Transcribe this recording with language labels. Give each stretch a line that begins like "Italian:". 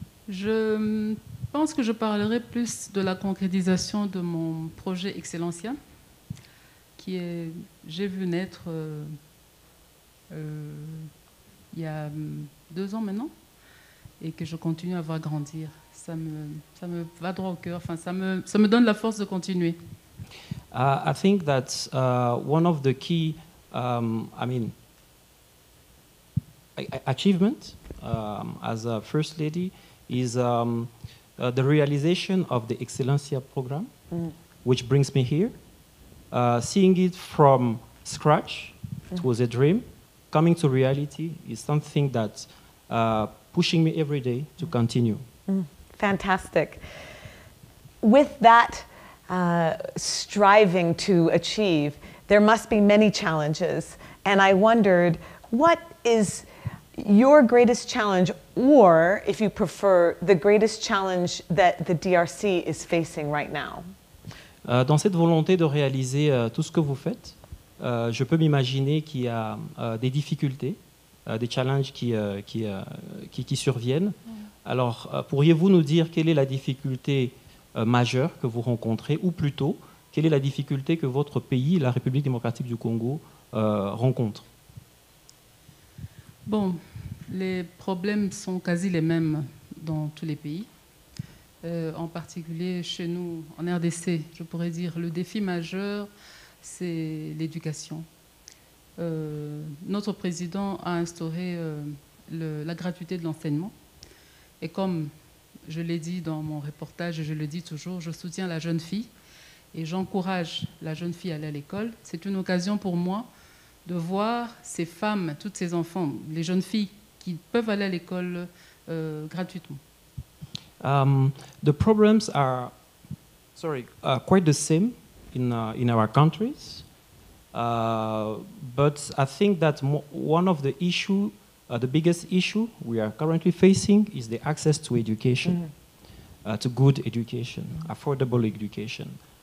French: Je pense que je parlerai plus de la concrétisation de mon projet Excellencia, qui est, j'ai vu naître il y a 2 ans maintenant, et que je continue à voir grandir. Ça me va droit au cœur, enfin, ça me donne la force de continuer.
English: I think that one of the key, achievement as a first lady is the realization of the Excellencia program, which brings me here, Seeing it from scratch, it was a dream. Coming to reality is something that's pushing me every day to continue. Fantastic. With that striving to achieve, there must be many challenges. And I wondered, what is your greatest challenge, or if you prefer, the greatest challenge that the DRC is facing right now?
French: Dans cette volonté de réaliser tout ce que vous faites, je peux m'imaginer qu'il y a des difficultés, des challenges qui surviennent. Alors, pourriez-vous nous dire quelle est la difficulté majeure que vous rencontrez, ou plutôt, quelle est la difficulté que votre pays, la République démocratique du Congo, rencontre? Bon, les problèmes sont quasi les mêmes dans tous les pays. En particulier chez nous, en RDC, je pourrais dire, le défi majeur, c'est l'éducation. Notre président a instauré la gratuité de l'enseignement. Et comme je l'ai dit dans mon reportage, et je le dis toujours, je soutiens la jeune fille et j'encourage la jeune fille à aller à l'école. C'est une occasion pour moi de voir ces femmes, toutes ces enfants, les jeunes filles qui peuvent aller à l'école gratuitement.
English: The problems are, quite the same in our countries, but I think that one of the issues, the biggest issue we are currently facing, is the access to education, to good education, affordable education.